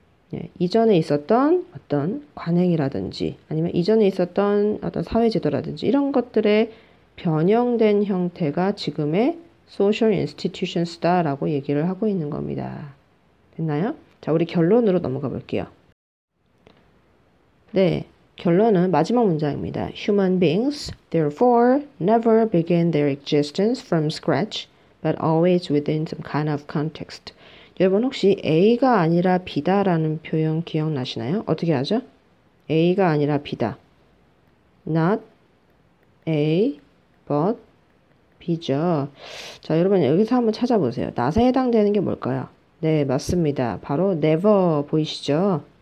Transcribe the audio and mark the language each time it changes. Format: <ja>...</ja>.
<ko>네, 이전에 있었던 어떤 관행이라든지 아니면 이전에 있었던 어떤 사회제도라든지 이런 것들의 변형된 형태가 지금의 social institutions다라고 얘기를 하고 있는 겁니다. 됐나요? 자, 우리 결론으로 넘어가 볼게요. 네, 결론은 마지막 문장입니다.</ko> <en>Human beings, therefore, never begin their existence from scratch, but always within some kind of context.</en> <ko>여러분, 혹시 A가 아니라 B다라는 표현 기억나시나요? 어떻게 하죠? A가 아니라 B다. Not A, but B죠. 자, 여러분, 여기서 한번 찾아보세요. Not에 해당되는 게 뭘까요? 네, 맞습니다. 바로 never 보이시죠?</ko>